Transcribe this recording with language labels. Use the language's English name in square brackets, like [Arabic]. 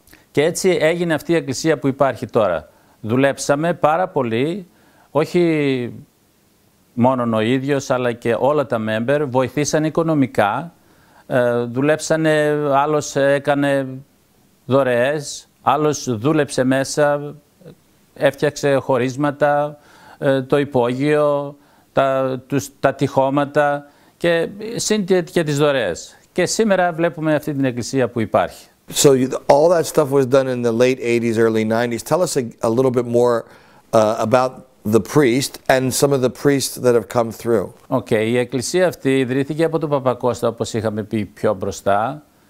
[Greek] Και έτσι έγινε αυτή η εκκλησία που υπάρχει τώρα. Δουλέψαμε πάρα πολύ, όχι μόνον ο ίδιος, αλλά και όλα τα member, βοηθήσαν οικονομικά, δουλέψανε, άλλος έκανε δωρεές, άλλος δούλεψε μέσα, έφτιαξε χωρίσματα, το υπόγειο, τα τυχώματα και συν και τις δωρεές. Και σήμερα βλέπουμε αυτή την εκκλησία που υπάρχει. [English] So all that stuff was done in the late 80s, early 90s. Tell us a little bit more about the priest and some of the priests that have come through. [Greek] Okay, η εκκλησία αυτή ιδρύθηκε από τον Παπα Κώστα, όπως είχαμε πει πιο μπροστά.